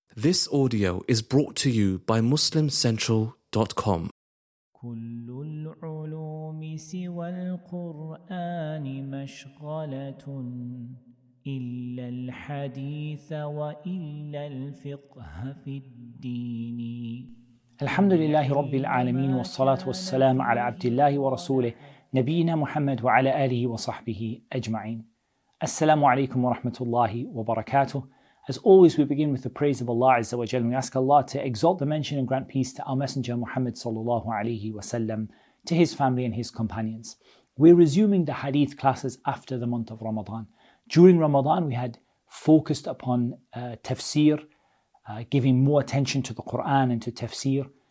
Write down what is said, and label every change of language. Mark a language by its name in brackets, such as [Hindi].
[English] This audio is brought to you by MuslimCentral.com. [Arabic] كل العلوم سوى القرآن مشغلة إلا الحديث وإلا الفقه في الدين. الحمد لله رب العالمين والصلاة والسلام على عبد الله ورسوله نبينا محمد وعلى آله وصحبه أجمعين. السلام عليكم ورحمة الله وبركاته. [English] As always, we begin with the praise of Allah Azza wa Jal. We ask Allah to exalt the mention and grant peace to our Messenger Muhammad sallallahu alayhi wa sallam, to his family and his companions. We're resuming the hadith classes after the month of Ramadan. During Ramadan, we had focused upon tafsir, giving more attention to the Quran and to tafsir.